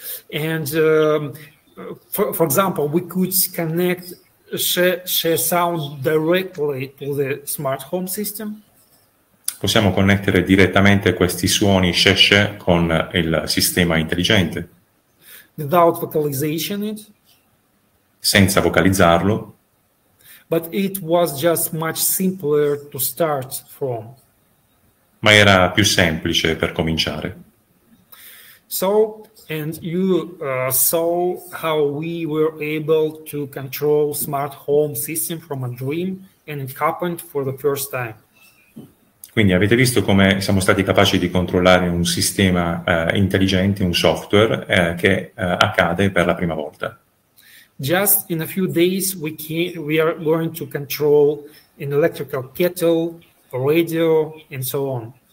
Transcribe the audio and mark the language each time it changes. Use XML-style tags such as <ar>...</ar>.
<en>And for example, we could connect she sound directly to the smart home system.</en> <it>Possiamo connettere direttamente questi suoni she con il sistema intelligente.</it> <en>Without vocalization it.</en> <it>Senza vocalizzarlo.</it> <en>But it was just much simpler to start from.</en> <it>Ma era più semplice per cominciare.</it> <en>So, and you saw how we were able to control smart home system from a dream, and it happened for the first time.</en> <it>Quindi avete visto come siamo stati capaci di controllare un sistema intelligente, un software, che accade per la prima volta.</it> <en>Just in a few days we are going to control an electrical kettle, a radio, and so on.</en>